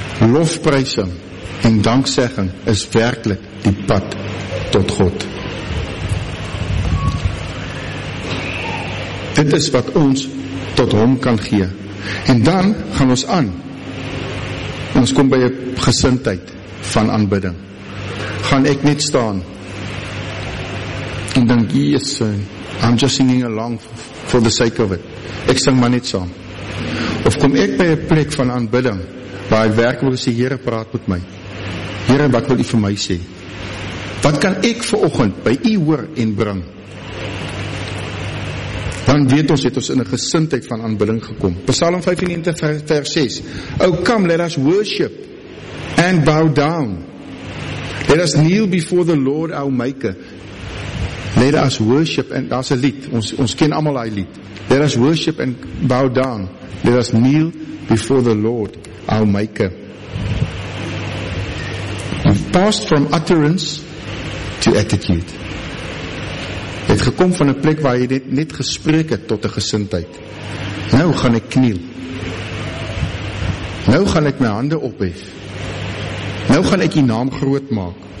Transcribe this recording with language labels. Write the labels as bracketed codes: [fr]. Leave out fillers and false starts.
[af] Lofprysing en danksegging is werklik die pad tot God. Dit is wat ons tot hom kan gee. En dan gaan ons aan. Ons kom by 'n gesindheid van aanbidding. Gaan ek net staan en dink, Jesus, [en] I'm just singing along for the sake of it. [af] Ek sing maar net saam. Of kom ek by 'n plek van aanbidding waar ek werklik sê, Here, praat met my. Here, wat wil u vir my sê? Wat kan ek vanoggend by u hoor en bring? Dan weet ons, het ons in 'n gesindheid van aanbidding gekom. Psalm 95 vers 6. [en] Oh, come, let us worship and bow down. Let us kneel before the Lord our Maker. Let us worship, [af] en daar's 'n lied, ons ken almal daai lied. [en] Let us worship and bow down. Let us kneel before the Lord our Maker. We've passed from utterance to attitude. [af] Het gekom van 'n plek waar jy net gespreek het tot 'n gesindheid. Nou gaan ek kniel. Nou gaan ek my hande ophef. Nou gaan ek die naam groot maak.